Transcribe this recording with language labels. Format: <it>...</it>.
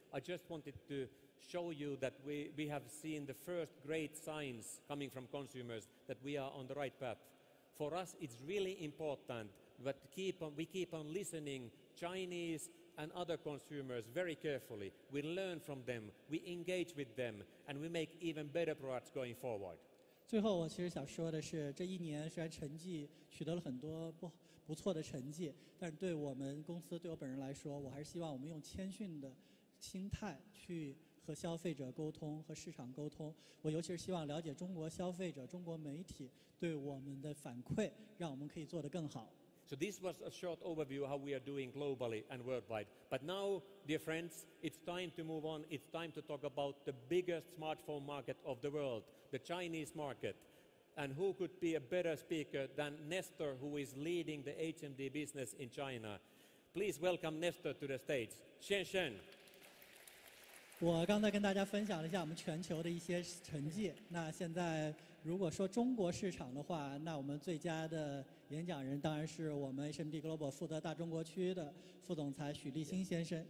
<en>I just wanted to show you that we have seen the first great signs coming from consumers that we are on the right path. For us, it's really important that we keep on listening Chinese and other consumers very carefully. We learn from them, we engage with them, and we make even better products going forward.</en> <zh>最后，我其实想说的是，这一年虽然成绩取得了很多不错的成绩，但是对我们公司，对我本人来说，我还是希望我们用谦逊的心态去和消费者沟通，和市场沟通。我尤其是希望了解中国消费者、中国媒体对我们的反馈，让我们可以做得更好。</zh> <en>So this was a short overview of how we are doing globally and worldwide. But now, dear friends, it's time to move on. It's time to talk about the biggest smartphone market of the world, the Chinese market. And who could be a better speaker than Nestor, who is leading the HMD business in China? Please welcome Nestor to the stage. Shen Shen.</en> <zh>我刚才跟大家分享了一下我们全球的一些成绩。那现在如果说中国市场的话，那我们最佳的演讲人当然是我们 HMD Global 负责大中国区的副总裁许立新先生。</zh>